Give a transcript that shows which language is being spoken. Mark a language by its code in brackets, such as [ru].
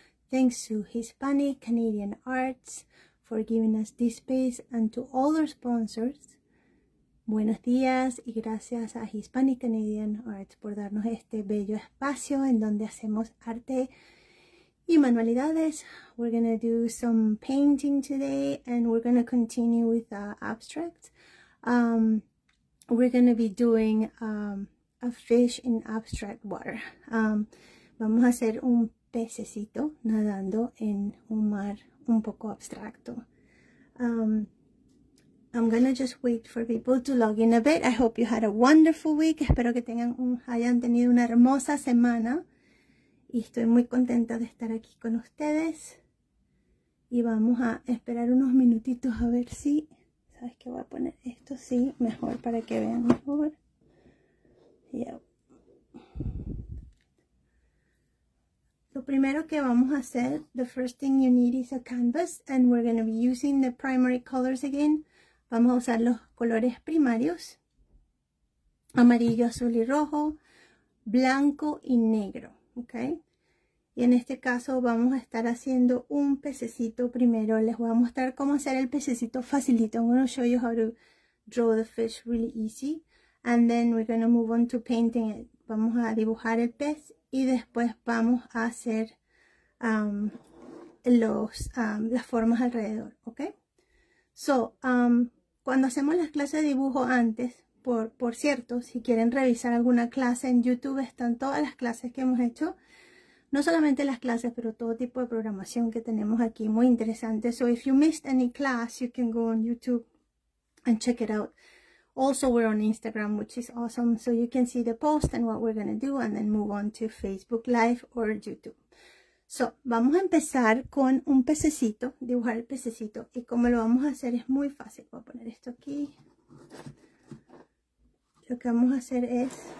[en] Thanks to Hispanic Canadian Arts for giving us this space and to all our sponsors. [es] Buenos días y gracias a Hispanic Canadian Arts por darnos este bello espacio en donde hacemos arte y manualidades. [en] We're going to do some painting today and we're going to continue with the abstract. We're going to be doing a fish in abstract water. [es] Vamos a hacer un pececito nadando en un mar un poco abstracto. [en] I'm going to just wait for people to log in a bit. I hope you had a wonderful week. [es] Espero que hayan tenido una hermosa semana. Y estoy muy contenta de estar aquí con ustedes. Y vamos a esperar unos minutitos a ver si... ¿Sabes qué? Voy a poner esto así mejor para que vean mejor. [en] Yep. [es] Lo primero que vamos a hacer, [en] the first thing you need is a canvas, and we're going to be using the primary colors again. [es] Vamos a usar los colores primarios. Amarillo, azul y rojo. Blanco y negro. ¿Ok? Y en este caso vamos a estar haciendo un pececito primero. Les voy a mostrar cómo hacer el pececito facilito. [en] I'm going to show you how to draw the fish really easy. And then we're going to move on to painting it. [es] Vamos a dibujar el pez y después vamos a hacer las formas alrededor. Okay? So, cuando hacemos las clases de dibujo antes, por cierto, si quieren revisar alguna clase en YouTube, están todas las clases que hemos hecho. No solamente las clases, pero todo tipo de programación que tenemos aquí, muy interesante. [en] So if you missed any class, you can go on YouTube and check it out. Also, we're on Instagram, which is awesome. So you can see the post and what we're going to do and then move on to Facebook Live or YouTube. [es] So vamos a empezar con un pececito, dibujar el pececito. Y cómo lo vamos a hacer es muy fácil. Voy a poner esto aquí. Lo que vamos a hacer es...